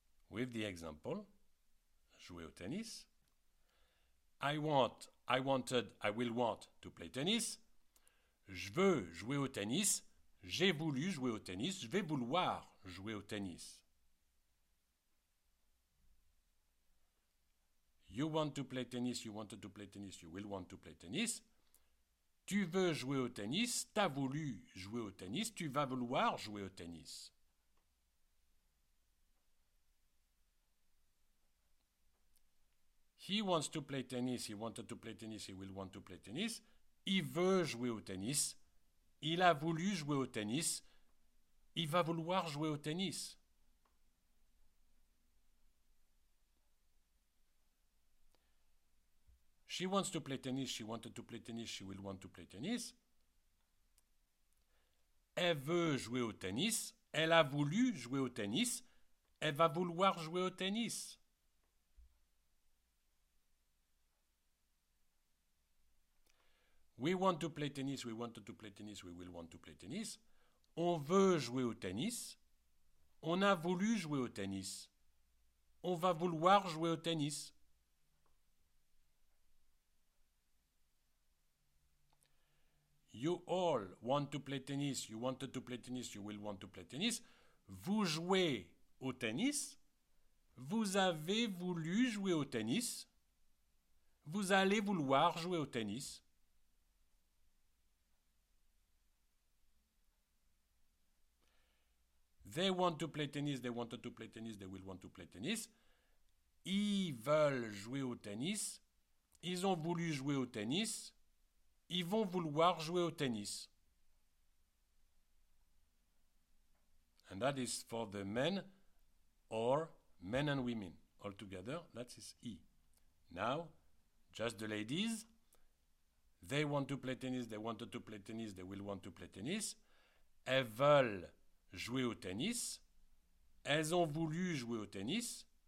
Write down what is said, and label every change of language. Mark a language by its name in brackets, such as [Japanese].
[English] With the example, [French] jouer au tennis. [English] I want, I wanted, I will want to play tennis. [French] Je veux jouer au tennis. J'ai voulu jouer au tennis. Je vais vouloir jouer au tennis. [English] You want to play tennis, you wanted to play tennis, you will want to play tennis. [French] Tu veux jouer au tennis, t'as voulu jouer au tennis, tu vas vouloir jouer au tennis. [English] He wants to play tennis, he wanted to play tennis, he will want to play tennis. [French] Il veut jouer au tennis, il a voulu jouer au tennis, il va vouloir jouer au tennis. [English] She wants to play tennis, she wanted to play tennis, she will want to play tennis. [French] Elle veut jouer au tennis, elle a voulu jouer au tennis, elle va vouloir jouer au tennis. [English] We want to play tennis, we wanted to play tennis, we will want to play tennis. [French] On veut jouer au tennis, on a voulu jouer au tennis, on va vouloir jouer au tennis. [English] You all want to play tennis, you wanted to play tennis, you will want to play tennis. [French] Vous jouez au tennis, vous avez voulu jouer au tennis, vous allez vouloir jouer au tennis. [English] They want to play tennis, they wanted to play tennis, they will want to play tennis. [French] Ils veulent jouer au tennis, ils ont voulu jouer au tennis, ils vont vouloir jouer au tennis. [English] And that is for the men or men and women. All together, that is E. Now, just the ladies. They want to play tennis, they wanted to play tennis, they will want to play tennis. [French] Elles veulent jouer au tennis. Elles ont voulu jouer au tennis.